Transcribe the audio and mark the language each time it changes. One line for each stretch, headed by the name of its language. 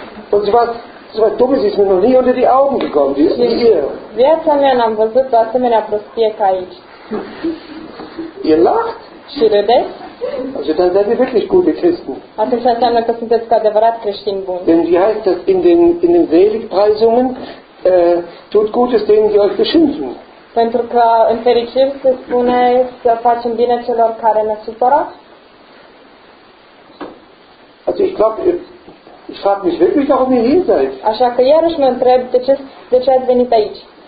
German: Und so was Dummes ist mir noch nie unter die Augen gekommen, wie ist ihr.
Romanian: Viața mea n-am văzut o asemenea prostie ca aici.
German: Ihr lacht?
Romanian: Și râdeți?
German: Also dann seid ihr wirklich gute Christen.
Romanian: Atunci înseamnă că sunteți cu adevărat creștin bun.
German: Denn wie heißt das in den Seligpreisungen? Tut Gutes denen, die euch beschimpfen.
Romanian: Pentru că în fericire se spune să facem bine celor care ne supără.
German: Also ich glaube, ich frage mich wirklich, warum ihr hier seid.
Romanian: Așa că iarăși mă întreb de ce ați venit aici.